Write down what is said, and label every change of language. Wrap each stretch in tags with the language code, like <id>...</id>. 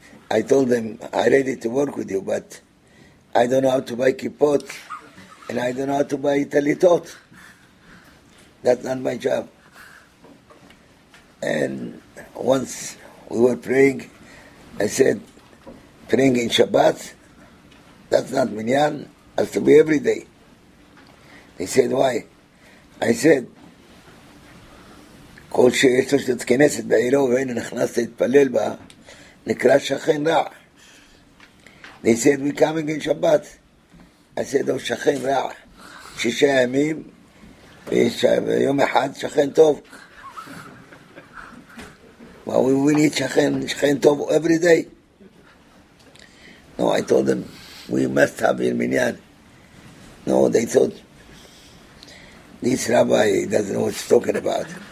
<en>I told them, I'm ready to work with you, but I don't know how to buy kippot, and I don't know how to buy talitot. That's not my job. And once we were praying, I said, praying in Shabbat, that's not minyan, has to be every day. They said, why? I said,</en> <he>כל שיש לו שאת כנסת בעירו ואין נכנס להתפלל בה, נקרא שכן רע.</he> <en>They said, we're coming in Shabbat. I said, oh, שכן רע.</en> <he>שישה ימים, ויום אחד שכן טוב.</he> <en>Well, we need שכן טוב every day. No, I told them, we must have in minyan. No, they thought, this rabbi doesn't know what he's talking about.</en>